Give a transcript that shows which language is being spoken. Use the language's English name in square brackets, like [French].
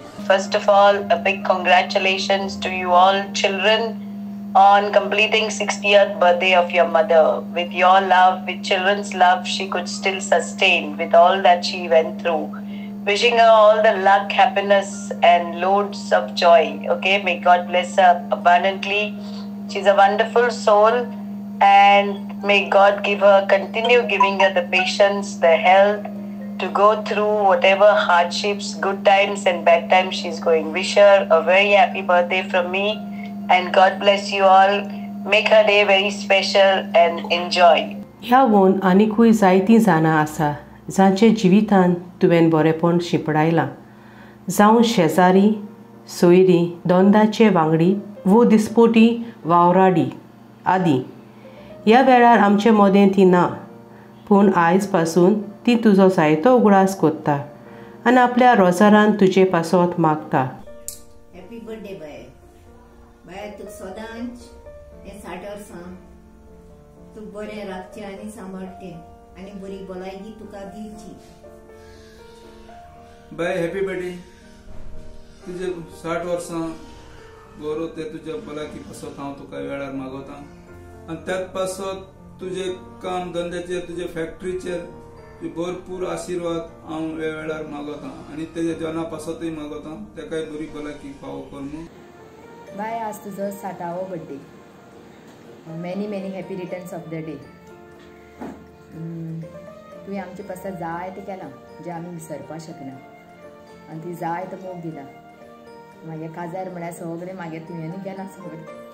[English] First of all a big congratulations to you all children on completing 60th birthday of your mother. With your love, with childrens love, she could still sustain with all that she went through. Wishing her all the luck, happiness and loads of joy. Okay, may God bless her abundantly. She is a wonderful soul. And may God give her, continue giving her the patience, the health to go through whatever hardships, good times and bad times she's going. Wish her a very happy birthday from me and God bless you all. Make her day very special and enjoy. [Konkani] ह्या वोन आनीकूय जायतीं जाणां आसा जांचे जिवितांत तुवें बरेपण शिंपडायलां. जावं शेजारी, सोयरी, दोंदाचे वांगडी, वो दिसपोटी, वावराडी आदी. ह्या वेळार आमचे मोदें ती ना, पूण आयज पासून ती तुजो जायतो उगडास कोत्ता आनी आपल्या रोजारान तुजे पासत मागता. [English] Happy birthday बाय. [Konkani] तुका सदांच हे 60 वर्सां तूं बरें रातचें आनी सांबाळचें आनी बरी भलायकी तुका दिवची. [English] बाय happy birthday. [Konkani] तुजे 60 वर्सां गौरव ते तुज्या भलायकी पासत हांव तुका वेळार मागोता. आनी त्याच पासत तुजे काम धंद्याचेर, तुजे फॅक्टरीचेर भरपूर आशिर्वाद हांव वेळ वेळार मागतां. आनी तेजे जॉना पासतय मागतां, तेकाय बरी भलायकी फावो कर म्हणून. बाय, आज तुझो सातवो birthday. [English] Many many happy returns of the day. [Konkani] तुवें आमचे पासत जाय तें केलां जे आमी विसरपाक शकना, आनी ती जाय तो मोग दिला. म्हागे काजार म्हळ्यार सगळें म्हागे तुवें केलां सगळें.